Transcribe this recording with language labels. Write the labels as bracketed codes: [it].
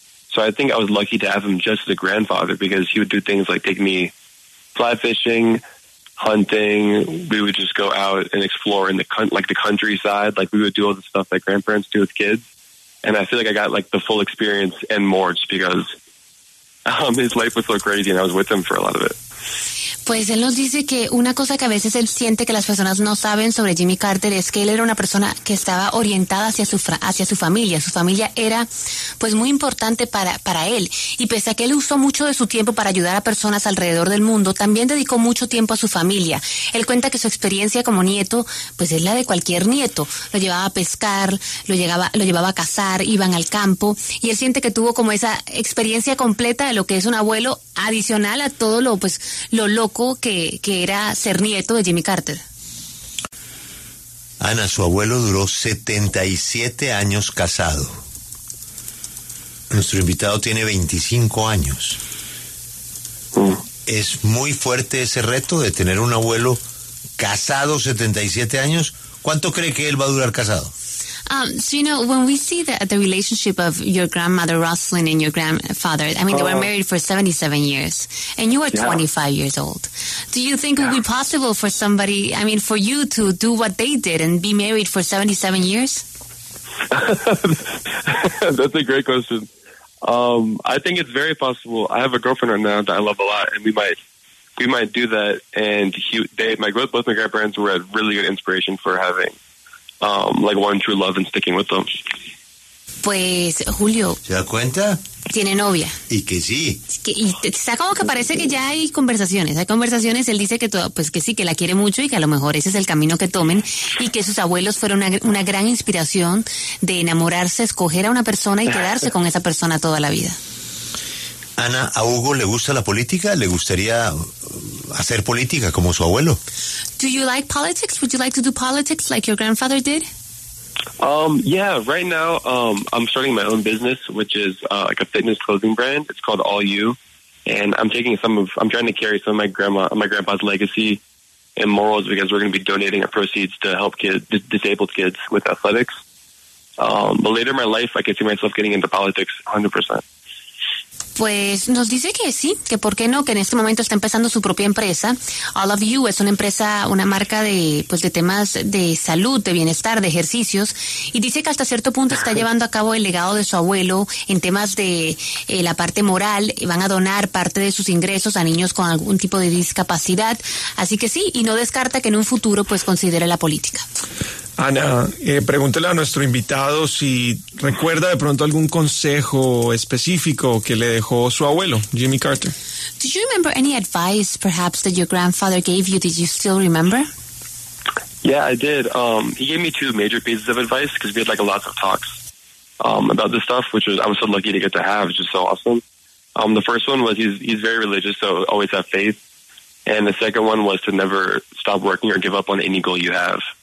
[en] So I think I was lucky to have him just as a grandfather because he would do things like take me fly fishing, hunting. We would just go out and explore in the countryside. Like we would do all the stuff that grandparents do with kids. And I feel like I got like the full experience and more just because his life was so crazy and I was with him for a lot of it. [es] Pues él nos dice que una cosa que a veces él siente que las personas no saben sobre Jimmy Carter es que él era una persona que estaba orientada hacia su familia. Su familia era pues muy importante para él. Y pese a que él usó mucho de su tiempo para ayudar a personas alrededor del mundo, también dedicó mucho tiempo a su familia. Él cuenta que su experiencia como nieto pues es la de cualquier nieto. Lo llevaba a pescar, lo llevaba a cazar, iban al campo. Y él siente que tuvo como esa experiencia completa de lo que es un abuelo adicional a todo lo loco que era ser nieto de Jimmy Carter. Ana, su abuelo duró 77 años casado. Nuestro invitado tiene 25 años. ¿Es muy fuerte ese reto de tener un abuelo casado 77 años? ¿Cuánto cree que él va a durar casado? [en] So, you know, when we see the relationship of your grandmother Rosalyn and your grandfather, I mean, they were married for 77 years, and you are 25 years old. Do you think it would be possible for somebody, I mean, for you to do what they did and be married for 77 years? That's a great question. I think it's very possible. I have a girlfriend right now that I love a lot, and we might do that. And both my grandparents were a really good inspiration for having like one true love and sticking with them. [es] Pues Julio, ¿se da cuenta? Tiene novia. Y que sí. Está como que parece que ya hay conversaciones. Hay conversaciones. Él dice que sí, que la quiere mucho y que a lo mejor ese es el camino que tomen y que sus abuelos fueron una gran inspiración de enamorarse, escoger a una persona y quedarse con esa persona toda la vida. Ana, ¿a Hugo le gusta la política? ¿Le gustaría hacer política como su abuelo? [en] Do you like politics? Would you like to do politics like your grandfather did? Yeah, right now I'm starting my own business, which is like a fitness clothing brand. It's called All You. And I'm trying to carry some of my grandpa's legacy and morals because we're going to be donating our proceeds to help disabled kids with athletics. But later in my life, I could see myself getting into politics 100%. [es] Pues nos dice que sí, que por qué no, que en este momento está empezando su propia empresa. All of You es una empresa, una marca de, pues, de temas de salud, de bienestar, de ejercicios. Y dice que hasta cierto punto está llevando a cabo el legado de su abuelo en temas de la parte moral. Van a donar parte de sus ingresos a niños con algún tipo de discapacidad. Así que sí, y no descarta que en un futuro pues considere la política. Ana, pregúntele a nuestro invitado si recuerda de pronto algún consejo específico que le dejó su abuelo, Jimmy Carter. [en] Do you remember any advice, perhaps, that your grandfather gave you? Did you still remember? Yeah, I did. He gave me two major pieces of advice because we had like a lot of talks about this stuff, which was, I was so lucky to get to have, which is so awesome. The first one was he's very religious, so always have faith. And the second one was to never stop working or give up on any goal you have.